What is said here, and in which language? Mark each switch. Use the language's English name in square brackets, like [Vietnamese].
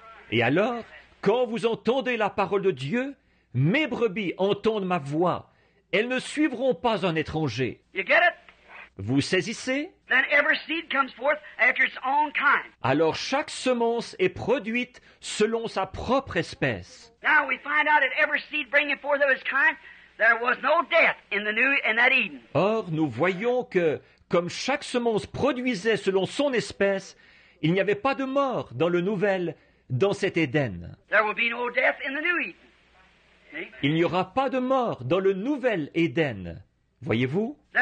[French] Et alors, quand vous entendez la parole de Dieu, mes brebis entendent ma voix. Elles ne suivront pas un étranger. [English] You get it? [French] Vous saisissez? [English] Then every seed comes forth after its own kind. [French] Alors chaque semence est produite selon sa propre espèce. [English] Now we find out that every seed bringing forth of its kind, there was no death in the new in that Eden. [French] Or, nous voyons que comme chaque semence produisait selon son espèce, il n'y avait pas de mort dans le nouvel, dans cet Éden. [English] There will be no death in the new Eden. [French] Il n'y aura pas de mort dans le nouvel Éden, voyez-vous?